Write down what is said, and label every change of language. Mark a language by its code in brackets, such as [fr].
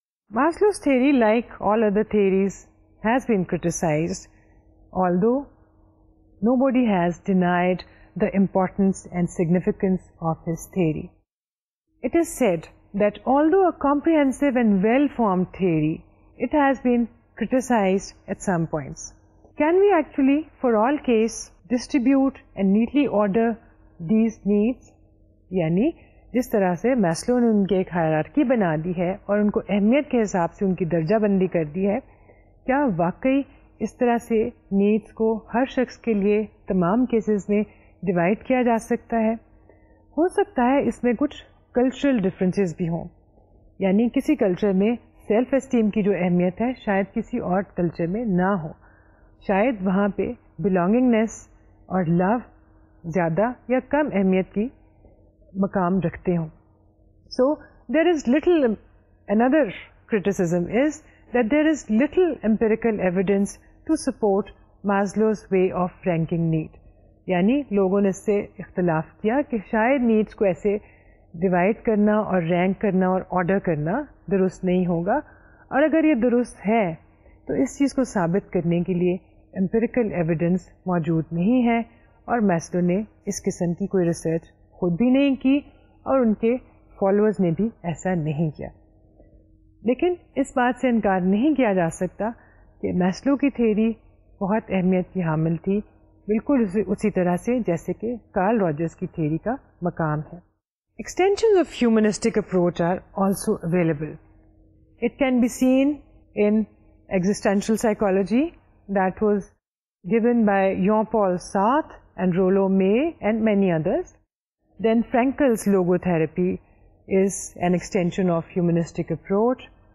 [en] Maslow's theory, like all other theories, has been criticized, although nobody has denied the importance and significance of his theory. It is said that although a comprehensive and well-formed theory, it has been criticized at some points. Can we actually, for all case, distribute and neatly order these needs? [ur] Yani, جس طرح سے Maslow نے ان کے ایک hierarchy بنا دی ہے اور ان کو اہمیت کے حساب سے ان کی درجہ بندی کر دی ہے, کیا واقعی اس طرح سے نیڈس کو ہر شخص کے لیے تمام کیسز میں ڈیوائڈ کیا جا سکتا ہے؟ ہو سکتا ہے اس میں کچھ کلچرل ڈفرینسز بھی ہوں, یعنی کسی کلچر میں سیلف اسٹیم کی جو اہمیت ہے شاید کسی اور کلچر میں نہ ہو, شاید وہاں پہ بلانگنگنیس اور لو زیادہ یا کم اہمیت کی مقام رکھتے ہوں. [en] So there is little, another criticism is that there is little empirical evidence to support Maslow's way of ranking need. [ur] یعنی لوگوں نے اس سے اختلاف کیا کہ شاید needs کو ایسے divide کرنا اور rank کرنا اور order کرنا درست نہیں ہوگا, اور اگر یہ درست ہے تو اس چیز کو ثابت کرنے کے لیے empirical evidence موجود نہیں ہے, اور Maslow نے اس قسم کی کوئی research خود بھی نہیں کی, اور ان کے فالوورز نے بھی ایسا نہیں کیا. لیکن اس بات سے انکار نہیں کیا جا سکتا کہ میسلو کی تھیوری بہت اہمیت کی حامل تھی, بالکل اسی طرح سے جیسے کہ کارل روجرز کی تھیوری کا مقام ہے. [en] Extensions of humanistic approach are also available. It can be seen in existential psychology that was given by Jean-Paul Sartre and Rollo May and many others. Then Frankl's logotherapy is an extension of humanistic approach.